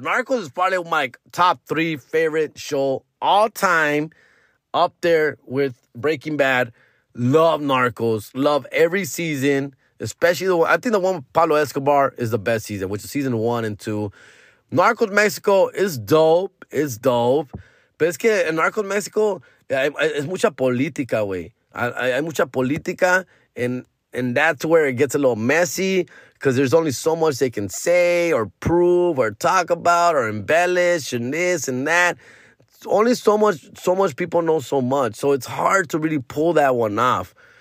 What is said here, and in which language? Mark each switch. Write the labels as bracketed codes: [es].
[en] Narcos is probably my top three favorite show all time, up there with Breaking Bad. Love Narcos. Love every season, especially the one. I think the one with Pablo Escobar is the best season, which is season 1 and 2. Narcos Mexico is dope. It's dope. [es] Pero es que en Narco Mexico, es mucha política, güey. Hay mucha política, [en] and that's where it gets a little messy, because there's only so much they can say or prove or talk about or embellish and this and that. Only so much people know so much. So it's hard to really pull that one off.